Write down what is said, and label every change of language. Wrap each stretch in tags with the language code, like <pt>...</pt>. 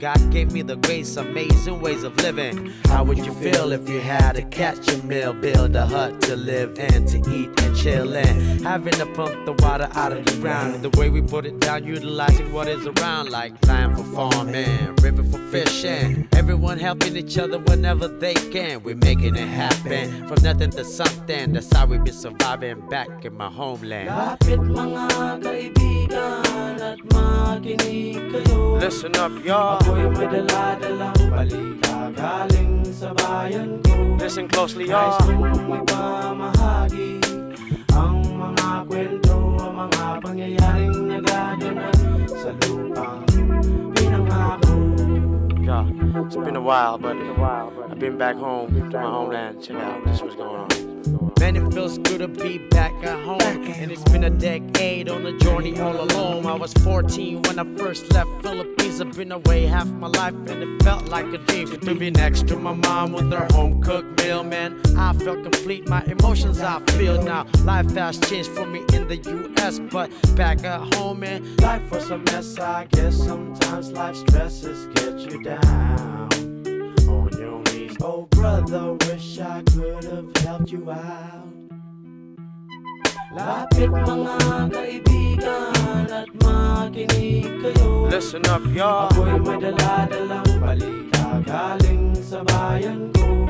<en>God gave me the grace, amazing ways of living. How would you feel if you had to catch a meal, build a hut to live in, to eat and chill in, having to pump the water out of the ground, and the way we put it down, utilizing what is around, like land for farming, river for fishing, everyone helping each other whenever they can. We're making it happen, from nothing to something, that's howWe be surviving back in my homeland.</en> <tl>Lapit mga kaibigan at makinig kayo.</tl> <en>Listen up, y'all.</en> <tl>Ako'y may daladalang balita galing sa bayan ko.</tl> <en>Listen closely, y'all.</en> <tl>Christ kong ipamahagi ang mga kwento, ang mga pangyayaring nagaganap sa lupang pinangako.</tl> <en>Yeah, it's been a while, but I've been back home to my homeland. Check out this what's going on. Man, it feels good to be back at home. And it's been a decade on the journey all alone. I was 14 when I first left Philippines. I've been away half my life and it felt like a dream to be next to my mom with her home-cooked meal. Man, I felt complete, my emotions I feel now. Life has changed for me in the U.S. But back at home, man, life was a mess. I guess sometimes life stresses get you down on your mind. Oh brother, wish I could have helped you out.</en> <tl>Lapit mga kaibigan at makinig kayo.</tl> <en>Listen up, y'all.</en> <tl>Ako'y may daladalang balita galing sa bayan ko.</tl>